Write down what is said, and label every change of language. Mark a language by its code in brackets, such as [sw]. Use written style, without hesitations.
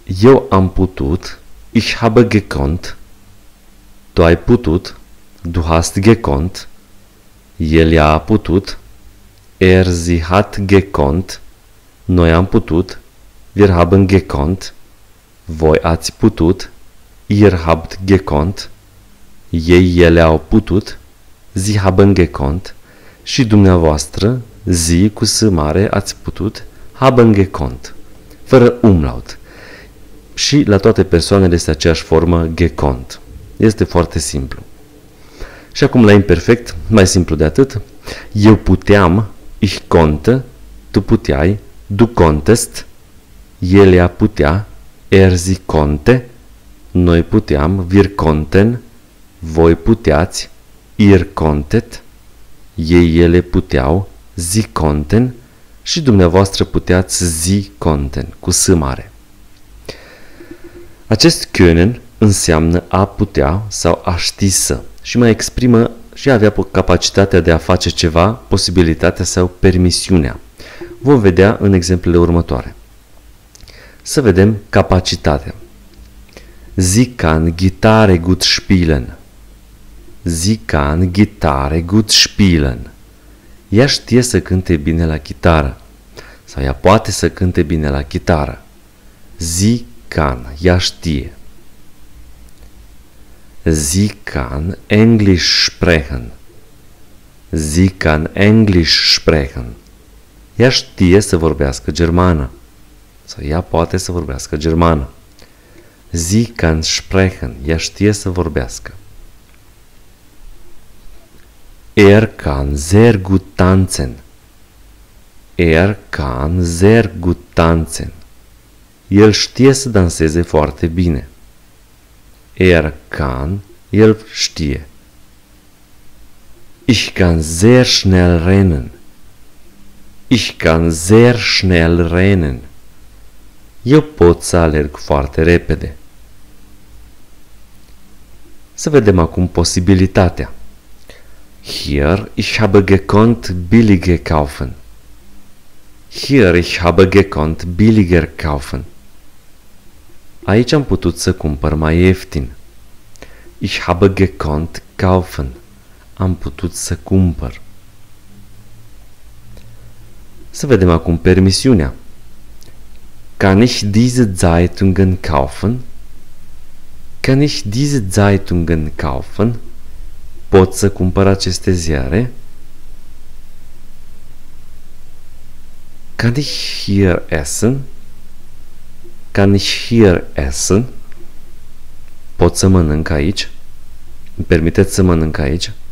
[ro] Eu am putut, [de] ich habe gekonnt, [ro] tu ai putut, [de] du hast gekonnt, [ro] el a putut, [de] sie hat gekonnt, [ro] noi am putut, [de] wir haben gekonnt, [ro] voi ați putut, [de] ihr habt gekonnt, [ro] ei, ele au putut, [de] sie haben gekonnt, [ro] și dumneavoastră, zi cu S mare, ați putut, [de] haben gekonnt, [ro] fără umlaut. Și la toate persoanele este aceeași formă, gekonnt. Este foarte simplu. Și acum la imperfect, mai simplu de atât, eu puteam, [de] ich konnte, [ro] tu puteai, [de] du konntest, [ro] ele a putea, [de] sie konnte, [ro] noi puteam, [de] wir konnten, [ro] voi puteați, [de] ihr konntet, [ro] ei, ele puteau, [de] sie konnten, [ro] și dumneavoastră puteați, sie konnten, cu S mare. Acest können înseamnă a putea sau a ști să și mai exprimă și avea capacitatea de a face ceva, posibilitatea sau permisiunea. Vom vedea în exemplele următoare. Să vedem capacitatea. [de] Sie kann Gitarre gut spielen. Sie kann Gitarre gut spielen. [ro] Ea știe să cânte bine la chitară. Sau ea poate să cânte bine la chitară. [de] Sie kann, [ro] ea știe. [de] Sie kann Englisch sprechen. Sie kann Englisch sprechen. [ro] Ea știe să vorbească germană. Sau ea poate să vorbească germană. [de] Sie kann sprechen, [ro] ea știe să vorbească. [de] Kann sehr gut tanzen. Kann sehr gut tanzen. [ro] El știe să danseze foarte bine. Kann, el știe. [de] Ich kann sehr schnell rennen. Kann sehr schnell rennen. [ro] Eu pot să alerg foarte repede. Să vedem acum posibilitatea. [de] Hier ich habe gekonnt billige kaufen. Hier ich habe gekonnt billiger kaufen. [ro] Aici am putut să cumpăr mai ieftin. [de] Ich habe gekonnt kaufen. [ro] Am putut să cumpăr. Să vedem acum permisiunea. [de] Kann ich diese Zeitungen kaufen? Kann ich diese Zeitungen kaufen? [ro] Pot să cumpăr aceste ziare? [de] Kann ich hier essen? Kann ich hier essen? [ro] Pot să mănânc aici? Îmi permiteți să mănânc aici?